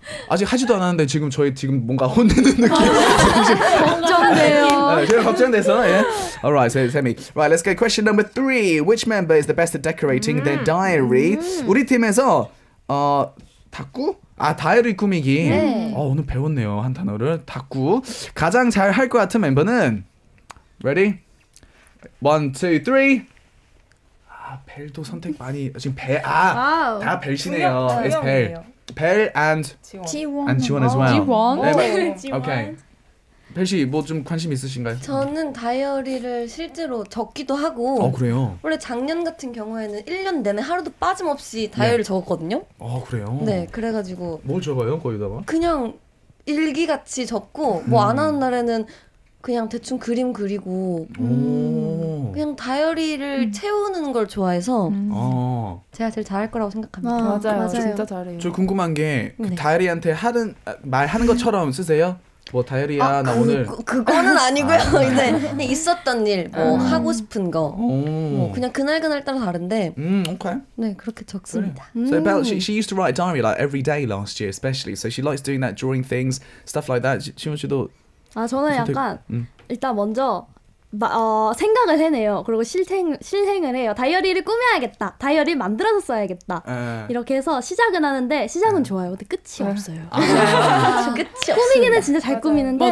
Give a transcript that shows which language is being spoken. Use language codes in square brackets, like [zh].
[ko] 아직 하지도 않았는데 지금 저희 지금 뭔가 혼내는 느낌 걱정돼요 제가 걱정돼서 yeah. [en] Alright, so Sammy Right, let's go question number three Which member is the best at decorating their diary? [ko] 우리 팀에서 다꾸? 아, 다이어리 꾸미기 네. 오늘 배웠네요, 한 단어를 다꾸 가장 잘 할 것 같은 멤버는 Ready? 1, 2, 3 아, 벨도 선택 많이 지금 벨, 다 벨시네요 It's 벨 벨 and 지원 [en] and 지원 as well. [ko] 지원. 네, 지원. 오케이. 벨 씨 뭐 좀 관심 있으신가요? 저는 다이어리를 실제로 적기도 하고. 그래요? 원래 작년 같은 경우에는 1년 내내 하루도 빠짐없이 다이어리를 네. 적었거든요. 그래요? 네, 그래가지고. 뭘 적어요, 거기다가? 그냥 일기 같이 적고 뭐 안 하는 날에는 그냥 대충 그림 그리고. 그냥 다이어리를 채우는 걸 좋아해서 제가 제일 잘할 거라고 생각합니다. 맞아요. 진짜 잘해요. 저 궁금한 게 그 네. 다이어리한테 하는 말하는 것처럼 쓰세요? 뭐 다혜리야 아, 나 오늘 그거는 아니고요. 아, 근데 있었던 일, 뭐 하고 싶은 거, 뭐 그냥 그날 그날 따라 다른데. 오케이. 네 그렇게 적습니다. [en] So Belle, she used to write a diary like every day last year, especially. So she likes doing that, drawing things, stuff like that. [ko] 시원 씨도. 아 저는 약간 일단 먼저 생각을 해내요. 그리고 실행을 해요. 다이어리를 꾸며야겠다. 다이어리 만들어서 써야겠다. 이렇게 해서 시작은 하는데 시작은 좋아요. 근데 끝이 없어요. 끝이 꾸미기는 진짜 잘 꾸미는데.